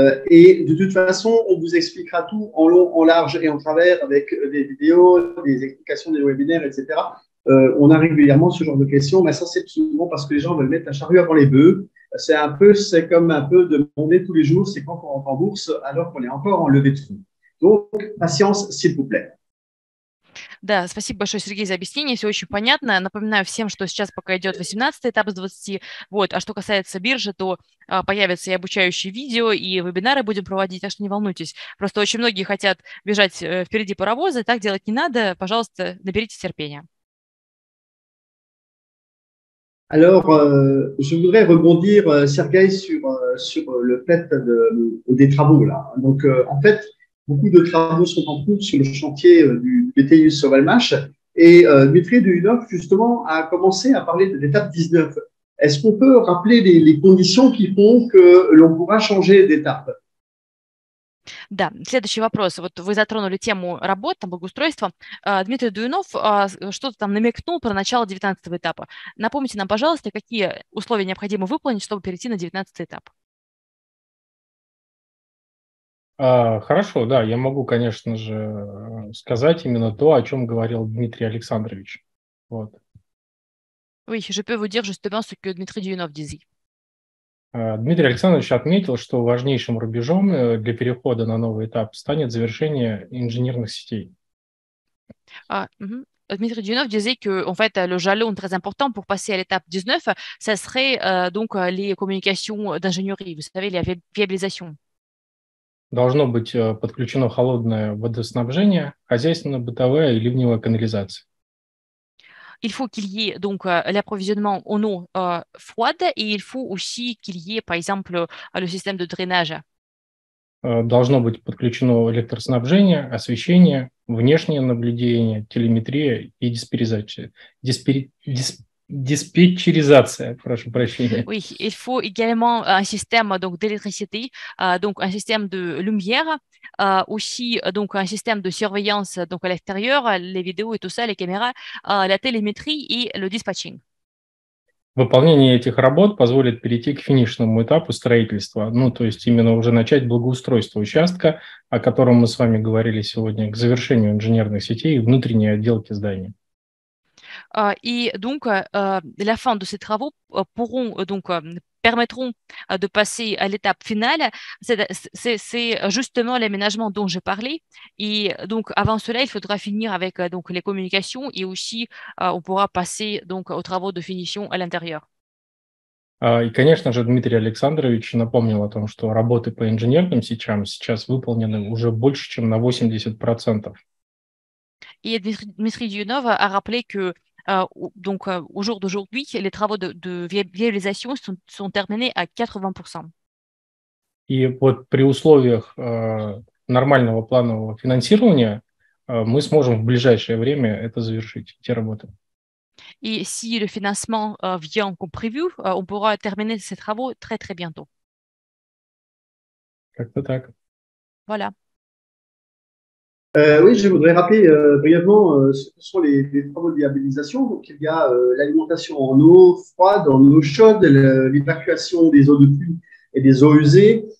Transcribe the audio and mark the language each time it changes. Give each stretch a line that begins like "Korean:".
French: Et de toute façon, on vous expliquera tout en long, en large et en travers avec des vidéos, des explications, des webinaires, etc. On a régulièrement ce genre de questions, mais ça, c'est souvent parce que les gens veulent mettre la charrue avant les bœufs. C'est comme un peu demander tous les jours, c'est quand on rentre en bourse alors qu'on est encore en levée de fonds. Donc, patience, s'il vous plaît.
Russian: Да, спасибо большое, Сергей, за объяснение. Все очень понятно. Напоминаю всем, что сейчас пока идет 18 этап с 20. Вот. А что касается биржи, то появятся и обучающие видео, и вебинары будем проводить, так что не волнуйтесь. Просто очень многие хотят бежать впереди паровоза, так делать не надо. Пожалуйста, наберите терпения.
French: Alors, je voudrais rebondir, Сергей, sur le fait des travaux, là. Donc, en fait, beaucoup de travaux sont en cours sur le chantier du BTU Sauvalmash. Et Dmitri Duhinov, justement, a commencé à parler de l'étape 19. Est-ce qu'on peut rappeler les conditions qui font que l'on pourra changer d'étape?
Russian: Да, следующий вопрос. Вот вы затронули тему работ, там, благоустройства. Дмитрий Дуйнов что-то там намекнул про начало 19-го этапа. Напомните нам, пожалуйста, какие условия необходимо выполнить, чтобы перейти на 19-й этап? Хорошо, да, я могу, конечно же, сказать именно то, о чем говорил Дмитрий Александрович. Вот.
French: Oui, je peux vous dire justement ce que Дмитрий Дуйнов disait.
Russian: Дмитрий Александрович отметил, что важнейшим рубежом для перехода на новый этап станет завершение инженерных сетей.
French: Дмитрий Дюнов disait que, en fait, le jalon très important pour passer à l'étape 19, ce serait donc les communications d'ingénierie, vous savez, la viabilisation.
Russian: Должно быть подключено холодное водоснабжение, хозяйственно-бытовая и ливневая канализация.
French: Il faut qu'il y ait donc l'approvisionnement en eau froide et il faut aussi qu'il y ait, par exemple, le système de drainage.
Russian: Должно быть подключено электроснабжение, освещение, внешнее наблюдение, телеметрия и диспетчеризация. Прошу прощения.
French: Oui, il faut également un système donc d'électricité, donc un système de lumière, aussi donc un système de surveillance donc à l'extérieur, les vidéos et tout ça, les caméras, la télémétrie et le dispatching.
Russian: Выполнение этих работ позволит перейти к финишному этапу строительства, ну то есть именно уже начать благоустройство участка, о котором мы с вами говорили сегодня, к завершению инженерных сетей и внутренней отделки здания.
French: И donc la fin de ces travaux pourront donc permettront de passer à l'étape finale. C'est justement l'aménagement dont j'ai parlé. Et donc avant cela, il faudra finir avec donc les communications et aussi on pourra passer donc aux travaux de finition à l'intérieur.
Russian: И конечно же Дмитрий Александрович напомнил о том, что работы по инженерным сетям сейчас выполнены уже больше чем на 80%.
French: Et Dmitri Dionov a rappelé que donc au jour d'aujourd'hui, les travaux de viabilisation sont terminés à 80%.
Russian: И вот при условиях нормального планового финансирования мы сможем в ближайшее время это завершить, эти работы.
French: Et si le financement vient comme prévu, on pourra terminer ces travaux très très bientôt.
Russian: Как-то так.
French: Voilà. Oui, je voudrais rappeler brièvement ce que sont les travaux de viabilisation. Donc, il y a l'alimentation en eau froide, en eau chaude, l'évacuation des eaux de pluie et des eaux usées.